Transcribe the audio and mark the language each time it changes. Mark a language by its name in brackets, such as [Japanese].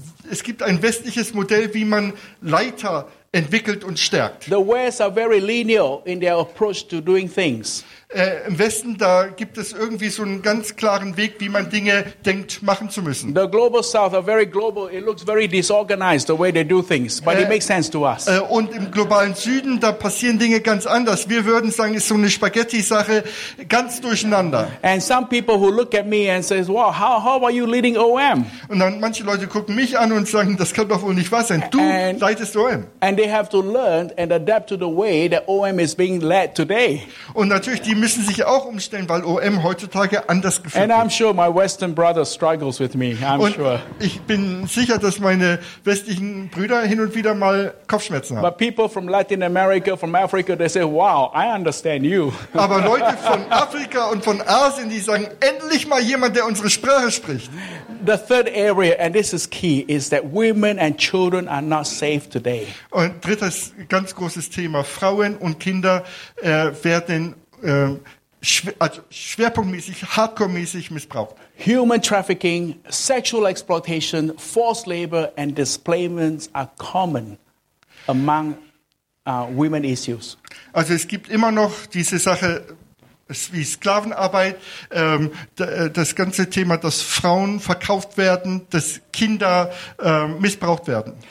[German] Es gibt ein westliches Modell, wie man Leiter entwickelt und stärkt. [English] The West are very linear in their approach to doing things. [German] Im Westen, da gibt es irgendwie so einen ganz klaren Weg, wie man Dinge denkt, machen zu müssen. [English] The global South are very global. It looks very disorganized the way they do things, but it makes sense to us. [German] Und im globalen Süden, da passieren Dinge ganz anders. Wir würden sagen, ist so eine Spaghetti-Sache, ganz durcheinander. [English] And some people who look at me and says, wow, how are you leading OM? [German] Und dann manche Leute gucken mich an und sagen, das kann doch wohl nicht wahr sein. Du leitest OM. [English] And they have to learn and adapt to the way that OM is being led today. [German] Und natürlich die müssen sich auch umstellen, weil OM heutzutage anders geführt wird. [English] And I'm sure my Western brother struggles with me, I'm [German] und [English] sure. [German] Ich bin sicher, dass meine westlichen Brüder hin und wieder mal Kopfschmerzen haben. [English] But people from Latin America, from Africa, they say, wow, I understand you. [German] Aber Leute von Afrika und von Asien, die sagen, endlich mal jemand, der unsere Sprache spricht. [English] The third area, and this is key, is that women and children are not safe today. [German] Und drittes ganz großes Thema, Frauen und Kinder werden schwerpunktmäßig, hardcore-mäßig missbraucht. [English] Human trafficking, sexual exploitation, forced labor and displacements are common among women issues. [German] Also es gibt immer noch diese Sache wie Sklavenarbeit, das ganze Thema, dass Frauen verkauft werden, dass Kinder missbraucht werden.